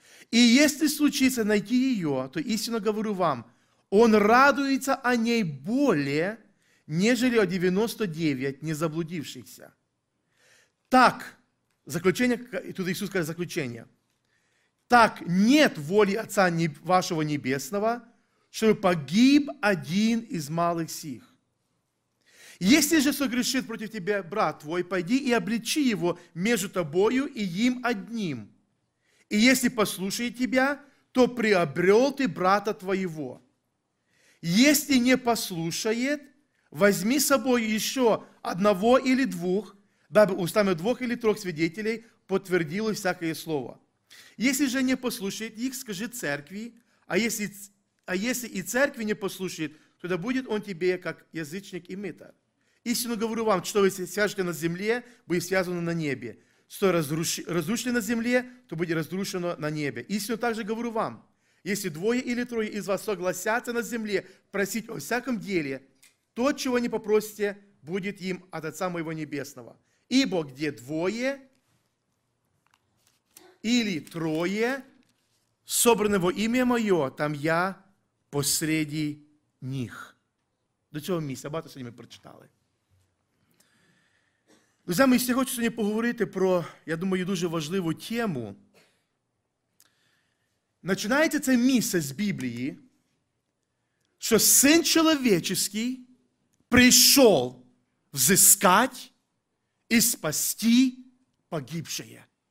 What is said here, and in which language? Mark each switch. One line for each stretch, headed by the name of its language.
Ukrainian: І якщо случиться найти її, то істинно говорю вам, он радується о ней більше, нежели о 99 незаблудившихся. Так, заключення, і тут Ісус каже заключення, так нет волі Отца вашого Небесного, щоб погиб один із малих сих.
Russian: Если же согрешит против тебя брат твой, пойди и обличи его между тобою и им одним. И если послушает тебя, то приобрел ты брата твоего. Если не послушает, возьми с собой еще одного или двух, дабы устами двух или трех свидетелей подтвердилось всякое слово. Если же не послушает их, скажи церкви, а если и церкви не послушает, тогда будет он тебе как язычник и мытарь. Истинно говорю вам, что вы свяжете на земле, будет связано на небе. Что разрушено на земле, то будет разрушено на небе. Истинно также говорю вам, если двое или трое из вас согласятся на земле просить о всяком деле, то, чего не попросите, будет им от Отца Моего Небесного. Ибо где двое или трое собраны во имя Мое, там Я посреди них.
Ukrainian: До цього місця, багато сьогодні ми прочитали. Друзі, ми хочу сьогодні поговорити про, я думаю, дуже важливу тему. Починається це місце з Біблії, що Син Чоловічий прийшов взискати і спасти погибшеє.